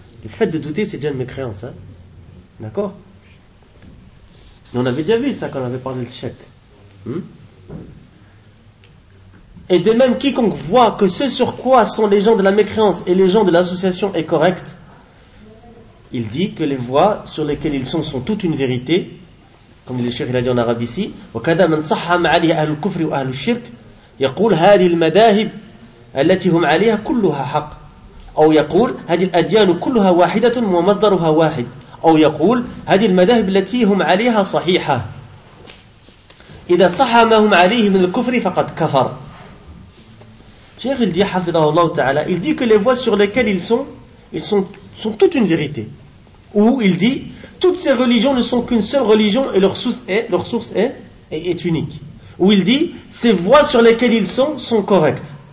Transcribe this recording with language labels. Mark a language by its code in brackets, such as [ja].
[fr] Le fait de douter, c'est déjà une mécréance. Hein? D'accord? Et on avait déjà vu ça quand on avait parlé du chèque. Et de même, quiconque voit que ce sur quoi sont les gens de la mécréance et les gens de l'association est correct, il dit que les voies sur lesquelles ils sont sont toutes une vérité, comme le cheikh il a dit en arabe ici. [ar] وَكَذَا مَنْ صَحَّ مَعَلِيهَ أَهْلُ الْكُفْرِ وَأَهْلُ الشِّرْكِ يَقُولُ هَذِي الْمَدَاهِبِ أَلَّتِي هُمْ عَلِيهَا كُلُّهَا حَقٍ أو يقول هذه الأديان كلها واحدة ومصدرها واحد أو يقول هذه المذاهب التي هم عليها صحيحة. إذا صح ما هم عليه من الكفر فقد كفر. شيخ الدي حفظه الله تعالى [fr] il dit que les voies sur lesquelles ils sont toutes une vérité, ou il dit toutes ces religions ne sont qu'une seule religion et leur source est unique, ou il dit ces voies sur lesquelles ils sont correctes.